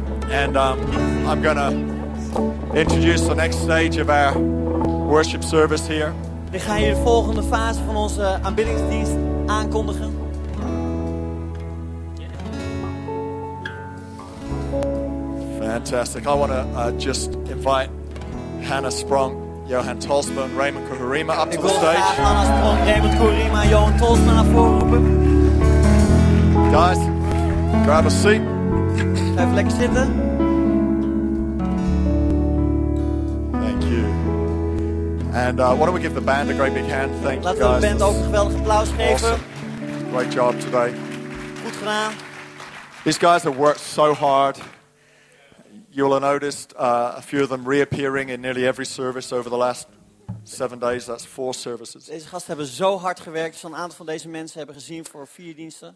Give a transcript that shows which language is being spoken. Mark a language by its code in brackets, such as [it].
[en] And I'm gonna introduce the next stage of our worship service here. [nl] Ik ga hier de volgende fase van onze aanbiddingsdienst aankondigen. [en] Fantastic. I want to just invite Hannah Sprong, Johan Tolsma, and Raymond Kuhurima up to the stage. [nl] Hannah Sprong, Raymond Kuhurima, Johan Tolsma naar voren roepen. [en] Guys, grab a seat. [nl] Even lekker zitten. [en] Thank you. And why don't we give the band a great big hand? Thank you, guys. [nl] Laten we de band ook een geweldig applaus geven. [en] Awesome. Great job today. [nl] Goed gedaan. [en] These guys have worked so hard. You'll have noticed a few of them reappearing in nearly every service over the last 7 days. That's 4 services. [nl] Deze gasten hebben zo hard gewerkt. Zo'n aantal van deze mensen hebben gezien voor 4 diensten.